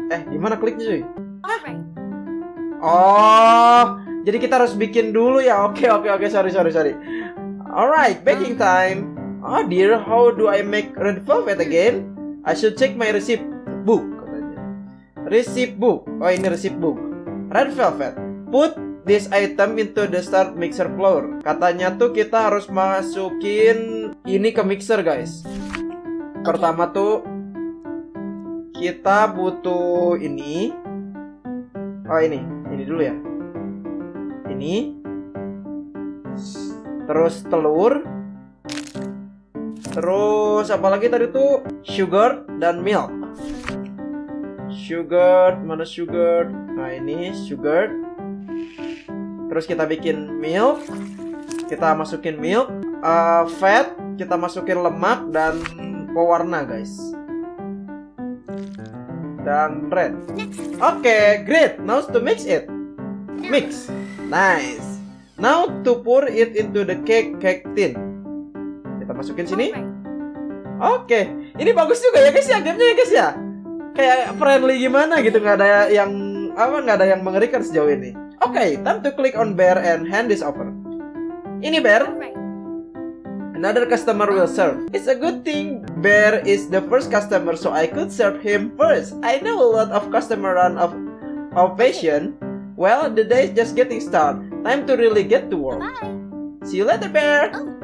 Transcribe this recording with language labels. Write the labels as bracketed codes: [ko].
[id] Gimana kliknya cuy? Oh, jadi kita harus bikin dulu ya. [en] Okay, sorry. Alright, baking time. Oh dear, how do I make red velvet again? I should check my recipe book. Receipt book. Oh, ini receipt book. Red velvet. Put this item into the start mixer floor. [id] Katanya tuh kita harus masukin ini ke mixer, guys. Pertama tuh kita butuh ini. Oh, ini. Ini dulu ya. Ini. Terus telur. Terus apa lagi tadi tuh? Sugar dan milk. Sugar, mana sugar? Nah ini sugar. Terus kita bikin milk. Kita masukin milk, fat. Kita masukin lemak dan pewarna guys. [en] Dan red. Okay, great. Now to mix it. Mix. Nice. Now to pour it into the cake tin. [id] Kita masukin sini. [en] Okay. [id] Ini bagus juga ya guys ya, game-nya ya guys ya. Kayak friendly gimana gitu, nggak ada yang apa, nggak ada yang mengerikan sejauh ini. [en] Okay, time to click on Bear and hand this over. [id] Ini Bear. [en] Another customer will serve. It's a good thing Bear is the first customer, so I could serve him first. I know a lot of customer run of patient. Well, the day is just getting started. Time to really get to work. Bye. See you later, Bear.